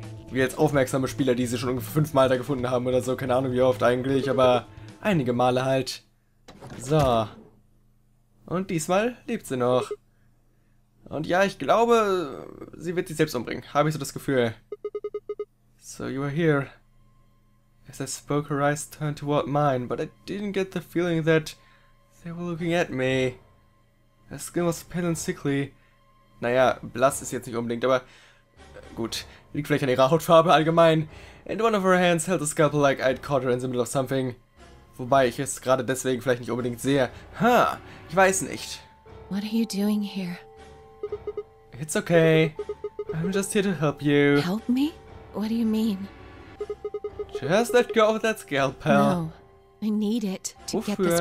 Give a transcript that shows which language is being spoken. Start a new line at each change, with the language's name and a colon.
German: Wir jetzt aufmerksame Spieler, die sie schon ungefähr 5 Mal da gefunden haben oder so, keine Ahnung wie oft eigentlich, aber einige Male halt. So. Und diesmal lebt sie noch. Und ja, ich glaube, sie wird sich selbst umbringen. Habe ich so das Gefühl. So,
English: you are here. As I spoke, her eyes turned toward mine, but I didn't get the feeling that they were looking at me. Her skin was pale and sickly.
German: Naja, blass ist jetzt nicht unbedingt, aber gut. Liegt vielleicht an ihrer Hautfarbe allgemein.
English: And one of her hands held a scalpel like I'd caught her in the middle of something.
German: Wobei ich es gerade deswegen vielleicht nicht unbedingt sehe. Ha, ich weiß nicht.
English: What are you doing here? It's okay. I'm just here to help you. Help me? What do you mean? Just let go of that scalpel. No, I need it to get this